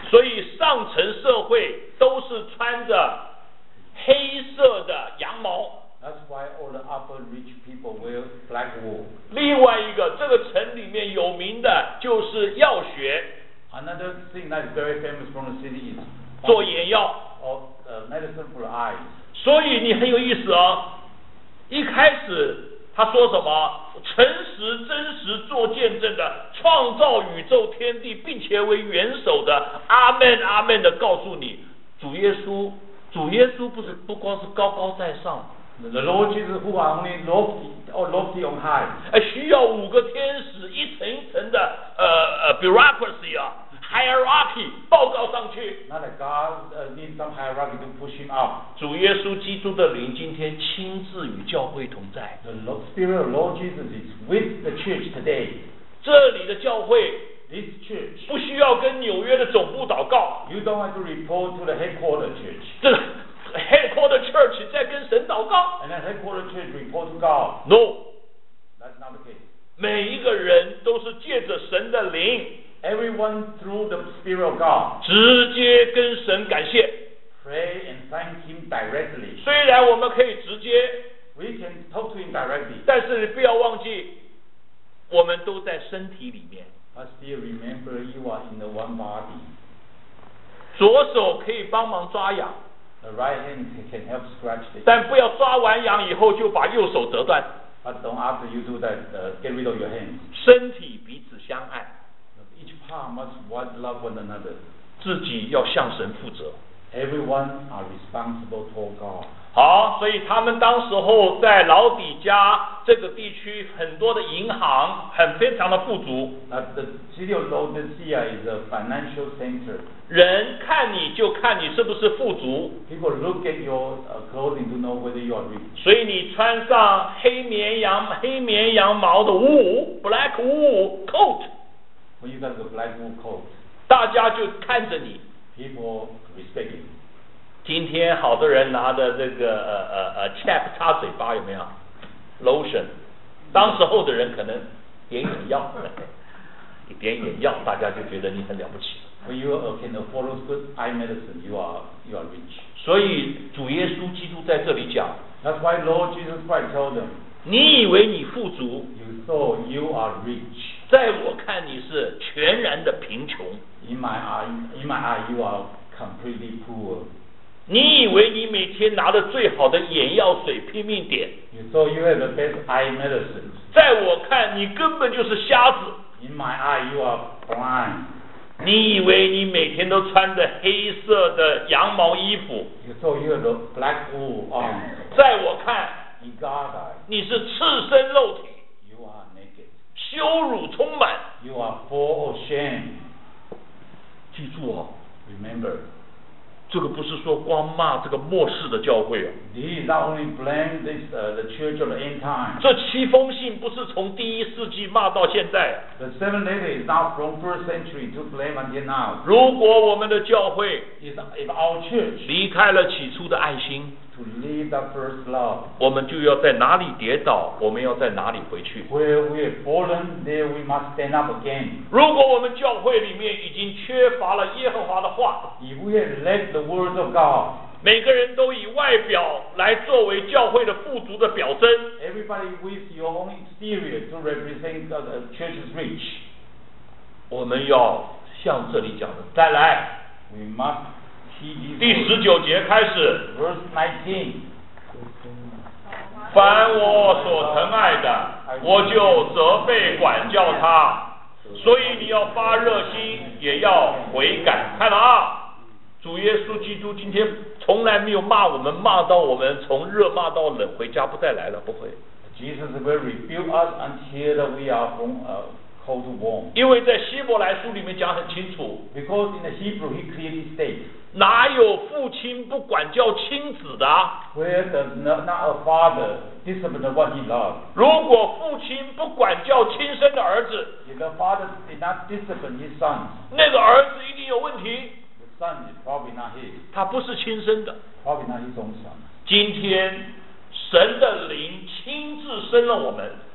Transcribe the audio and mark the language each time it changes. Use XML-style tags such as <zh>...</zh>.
<zh>所以上层社会都是穿着黑色的羊毛。</zh> <en>That's why all the upper rich people wear black wool.</en> <zh>另外一个，这个城里面有名的就是药学。</zh> <en>Another thing that is very famous from the city is</en> <zh>做眼药。</zh> <en>Or medicine for the eyes.</en> <zh>所以你很有意思啊、哦，一开始。他说什么？诚实真实做见证的，创造宇宙天地并且为元首的，阿们阿们的告诉你，主耶稣不是不光是高高在上。</zh> <en>The Lord Jesus who are only lofty on high.</en> <zh>需要五个天使一层一层的bureaucracy 啊 ，hierarchy 报告上去。</zh> <en>Not that God needs some hierarchy to push him up.</en> <zh>主耶稣基督的灵今天亲自与教会同在。</zh> <en>The Spirit of Lord Jesus is with the church today.</en> <zh>这里的教会</zh> <en>，this church，</en> <zh>不需要跟纽约的总部祷告。</zh> <en>You don't have to report to the headquarters church. Headquarter church</en> <zh>在跟神祷告。</zh> <en>And then headquarter church report to God. No, that's not the case.</en> <zh>每一个人都是借着神的灵。</zh> <en>Everyone through the Spirit of God.</en> <zh>直接跟神感谢。</zh> <en>Pray and thank Him directly.</en> <zh>虽然我们可以直接。</zh> <en>We can talk to Him directly.</en> <zh>但是不要忘记，我们都在身体里面。</zh> <en>But still remember, you are in the one body.</en> <zh>左手可以帮忙抓痒。</zh> <en>The right hand can help scratch the.</en> <zh>但不要抓完羊以后就把右手折断。</zh> <en>But don't after you do that, get rid of your hands.</en> <zh>身体彼此相爱。</zh> <en>Each part must one love one another.</en> <zh>自己要向神负责。</zh> <en>Everyone are responsible to God.</en> <zh>好，所以他们当时候在老底嘉这个地区，很多的银行很非常的富足。</zh> <en>The city of Laodicea is a financial center.</en> <zh>人看你就看你是不是富足。</zh> <en>People look at your clothing to know whether you are rich.</en> <zh>所以你穿上黑绵羊毛的物</zh> <en>black wool coat. When you got the black wool coat,</en> <zh>大家就看着你。</zh> <en>People respect you.</en> <zh>今天好多人拿的这个chap 擦嘴巴有没有 lotion？当时候的人可能点眼药，一点眼药，大家就觉得你很了不起。</zh> <en>When you can afford good eye medicine, you are rich.</en> <zh>所以主耶稣基督在这里讲。</zh> <en>That's why Lord Jesus Christ told them.</en> <zh>你以为你富足</zh> <en>？You thought you are rich.</en> <zh>在我看你是全然的贫穷。</zh> <en>In my eye, you are completely poor.</en> <zh>你以为你每天拿着最好的眼药水拼命点。</zh> <en>You thought you have the best eye medicine.</en> <zh>在我看你根本就是瞎子。</zh> <en>In my eye, you are blind.</en> <zh>你以为你每天都穿着黑色的羊毛衣服。</zh> <en>You thought you have the black wool on.</en> <zh>在我看。</zh> <en>In God's eye.</en> <zh>你是赤身肉体。</zh> <en>You are naked.</en> <zh>羞辱充满。</zh> <en>You are full of shame.</en> <zh>记住哦</zh> <en>，Remember，</en> <zh>这个不是说光骂这个末世的教会哦。</zh> <en>He is not only blame this the church of the end time。</en> <zh>这七封信不是从第一世纪骂到现在。</zh> <en>The seven letters is not from first century to blame until now。</en> <zh>如果我们的教会</zh> <en>if our church</en> <zh>离开了起初的爱心。</zh> <en>To leave the first love.</en> <zh>我们就要在哪里跌倒，我们要在哪里回去。</zh> <en>Where we have fallen, there we must stand up again.</en> <zh>如果我们教会里面已经缺乏了耶和华的话，</zh> <en>If we have lacked the words of God.</en> <zh>每个人都以外表来作为教会的富足的表征。</zh> <en>Everybody with your own exterior to represent the church's rich.</en> <zh>我们要像这里讲的，再来。</zh> <en>We must.</en> <zh>第十九节开始</zh> <en>Verse 19</en> <zh>凡我所疼爱的我就责备管教他所以你要发热心也要悔改看了啊主耶稣基督今天从来没有骂我们骂到我们从热骂到冷回家不再来了不会</zh> <en>Jesus will rebuke us until we are from cold warm</en> <zh>因为在希伯来书里面讲很清楚</zh> <en>Because in the Hebrew he clearly states</en> <zh>哪有父亲不管教亲子的</zh> <en>Where does not a father discipline what he loves</en> <zh>如果父亲不管教亲生的儿子</zh> <en>If the father did not discipline his son</en> <zh>那个儿子一定有问题</zh> <en>The son is probably not his</en> <zh>他不是亲生的</zh> <en>Probably not his own son</en> <zh>今天神的灵亲自生了我们</zh>